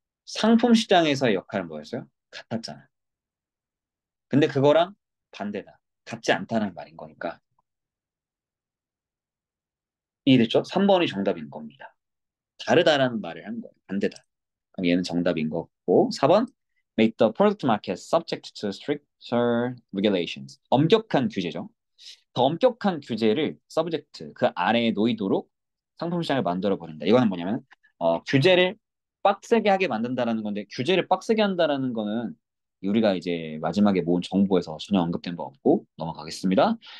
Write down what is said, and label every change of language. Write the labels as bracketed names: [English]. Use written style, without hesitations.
[Korean] 상품 시장에서의 역할은 뭐였어요? 같았잖아. 근데 그거랑 반대다. 같지 않다는 말인 거니까. 이해됐죠? 3번이 정답인 겁니다. 다르다라는 말을 한 거예요. 반대다. 그럼 얘는 정답인 거고. 4번. [English] Make the product market subject to stricter regulations. [Korean] 엄격한 규제죠. 더 엄격한 규제를 subject, 그 아래에 놓이도록 상품 시장을 만들어버린다. 이거는 뭐냐면, 규제를 빡세게 하게 만든다라는 건데, 규제를 빡세게 한다라는 거는 우리가 이제 마지막에 모은 정보에서 전혀 언급된 바 없고 넘어가겠습니다.